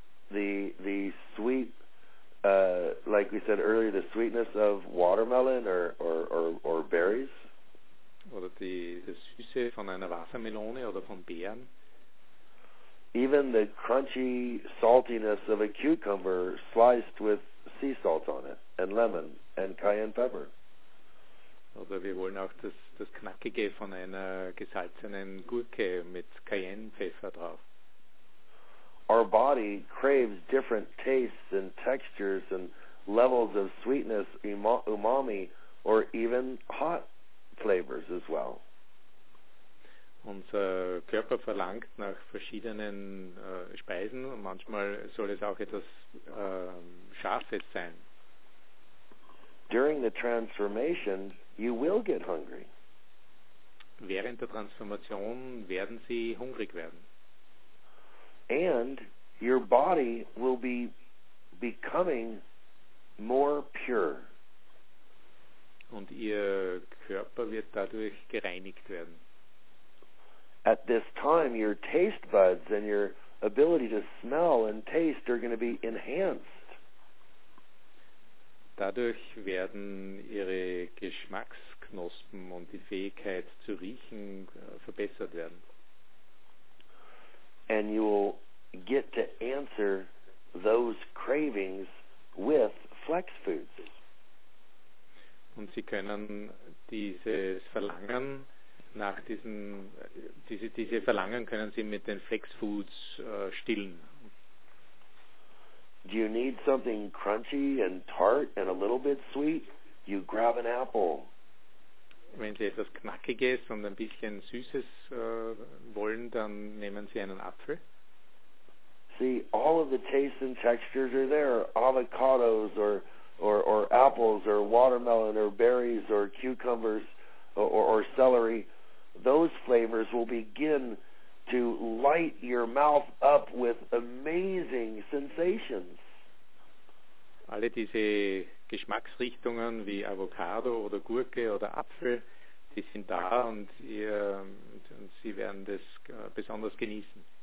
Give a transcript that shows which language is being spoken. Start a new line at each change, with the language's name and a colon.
English: The sweet, like we said earlier, the sweetness of watermelon or berries.
German: Oder die Süße von einer Wassermelone oder von Beeren.
English: Even the crunchy saltiness of a cucumber sliced with sea salt on it and lemon and cayenne pepper.
German: Oder wir wollen auch das Knackige von einer gesalzenen Gurke mit Cayennepfeffer drauf.
English: Our body craves different tastes and textures and levels of sweetness, umami, or even hot flavors as well.
German: unser Körper verlangt nach verschiedenen Speisen und manchmal soll es auch etwas Scharfes sein.
English: During the transformation, you will get hungry.
German: Während der Transformation werden Sie hungrig werden.
English: And your body will be becoming more pure.
German: Und Ihr Körper wird dadurch gereinigt werden.
English: At this time, your taste buds and your ability to smell and taste are going to be enhanced.
German: Dadurch werden Ihre Geschmacksknospen und die Fähigkeit zu riechen verbessert werden.
English: And you will get to answer those cravings with flex foods.
German: Und Sie können dieses Verlangen nach diesen, diese Verlangen können Sie mit den Flex Foods stillen.
English: Do you need something crunchy and tart and a little bit sweet? You grab an apple.
German: Wenn Sie etwas Knackiges und ein bisschen Süßes wollen, dann nehmen Sie einen Apfel.
English: See, all of the tastes and textures are there. Avocados or apples or watermelon or berries or cucumbers or celery. Those flavors will begin to light your mouth up with amazing sensations.
German: Alle diese Geschmacksrichtungen wie Avocado oder Gurke oder Apfel, die sind da und Sie werden das besonders genießen.